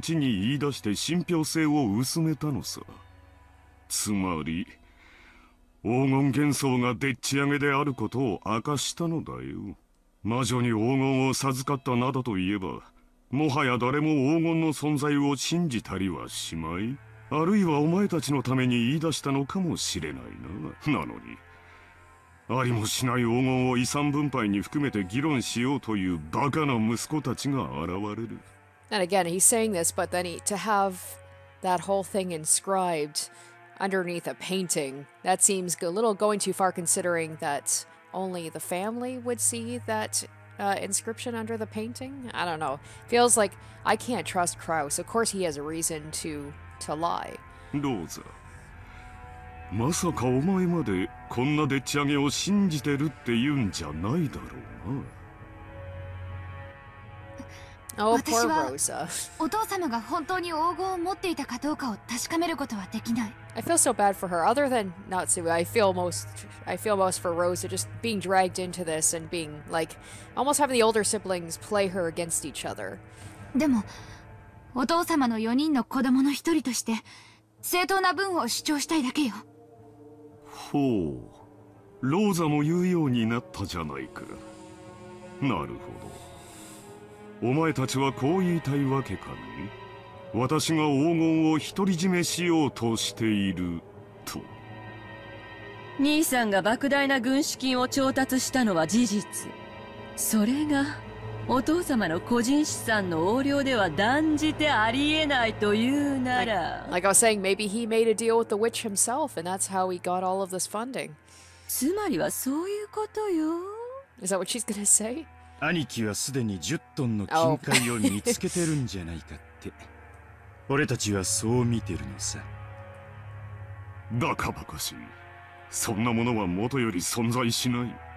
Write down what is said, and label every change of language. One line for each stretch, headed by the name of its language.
Japanese: じゃあ、クラウス兄さんは黄金などでっち上げだいうんか。もちろんさ。だから十分な成功を収めた後には黄金幻想など面倒なだけだった。だから親父殿は魔女だの黒魔術だのと、わけのわからないことを後に言い出して信憑性を薄めたのさ。つまり、黄金幻想がでっち上げであることを明かしたのだよ。魔女に黄金を授かったなどといえば、もはや誰も黄金の存在を信じたりはしまい。あるいはお前たちのために言い出したのかもしれないな。なのに、ありもしない黄金を遺産分配に含めて議論しようというバカな息子たちが現れる。
English: And again, he's saying this, but then to have that whole thing inscribed underneath a painting, that seems a little going too far considering that only the family would see that、inscription under the painting. I don't know. Feels like I can't trust Kraus. Of course, he has a reason to lie.
Japanese: Rosa, まさかお前までこんなでっち上げを信じてるって言うんじゃないだろうな。 Oh, 私はお父様が本当に黄金を持っていたかどうかを確かめることはできない。
English: I feel so bad for her. Other than Natsu, I feel most for Rosa just being dragged into this and being like almost having the older siblings play her against each other.
Japanese: でもお父様の4人の子供の一人として正当な分を主張したいだけよ。ほう、ローザも言うようになったじゃないか。なるほど。お前たちはこう言いたいわけかね。私が黄金を独り占めしようとしていると。兄さんが莫大な軍資金を調達したのは事実。それがお父様の個人資産の横領では断じてありえないというなら。
English: Like I was saying, maybe he made a deal with the witch himself, and that's how he got all of this funding.
Japanese: つまりはそういうことよ。
English: Is that what she's gonna say?
Japanese: 兄貴はすでに10トンの金塊を見つけてるんじゃないかって、oh. 俺たちはそう見てるのさ。バカバカしい。そんなものは元より存在しない。